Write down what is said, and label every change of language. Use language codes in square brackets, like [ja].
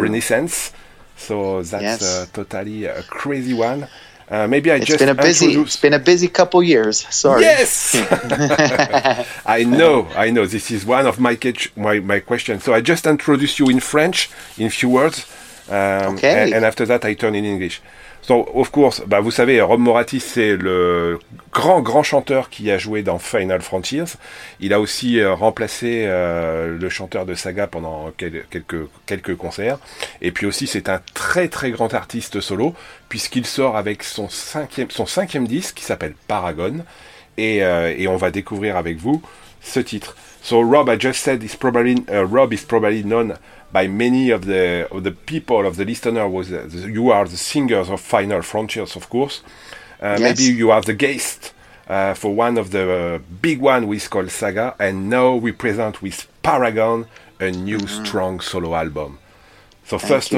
[en] Renaissance. So that's yes. Totally a crazy one. Maybe I it's just been a busy, introduce... It's been a busy couple years, sorry. Yes! I know. This is one of my questions. So I just introduce you in French, in few words. Okay. And after that, I turn in English. So, of course, [fr] vous savez, Rob Moratti, c'est le grand, grand chanteur qui a joué dans Final Frontiers. Il a aussi remplacé le chanteur de Saga pendant quelques concerts. Et puis aussi, c'est un très, très grand artiste solo, puisqu'il sort avec son cinquième disque, qui s'appelle Paragon. Et on va découvrir avec vous ce titre. [en] So, Rob, I just said, Rob is probably known by many of the people, of the listener, you are the singers of Final Frontiers, of course. Yes. Maybe you are the guest for one of the big one, which is called Saga, and now we present with Paragon a new strong solo album. So thank first you.